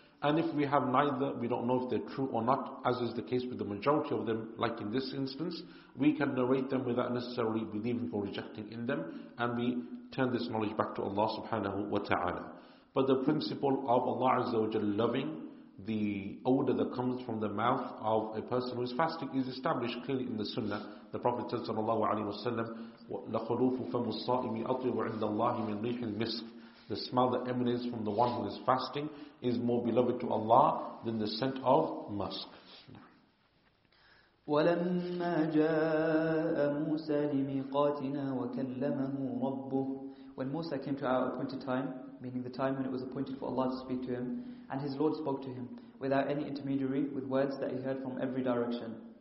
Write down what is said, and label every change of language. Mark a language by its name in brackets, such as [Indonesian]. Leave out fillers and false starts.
[English] And if we have neither, we don't know if they're true or not, as is the case with the majority of them, like in this instance, we can narrate them without necessarily believing or rejecting in them, and we turn this knowledge back to Allah subhanahu wa ta'ala. But the principle of Allah azza wa jalla loving the odor that comes from the mouth of a person who is fasting is established clearly in the Sunnah. The Prophet said sallallahu alayhi wa sallam, [Arabic] لَخُلُوفُ فَمُ الصَّائِمِ أَطْيَبُ عِنْدَ اللَّهِ مِنْ رِيحِ الْمِسْكِ. [English] The smell that emanates from the one who is fasting is more beloved to Allah than the scent of musk. [Arabic] وَلَمَّا جَاءَ مُوسَى لِمِيقَاتِنَا وَكَلَّمَهُ رَبُّهُ. [English] When Musa came to our appointed time, meaning the time when it was appointed for Allah to speak to him, and his Lord spoke to him without any intermediary, with words that he heard from every direction.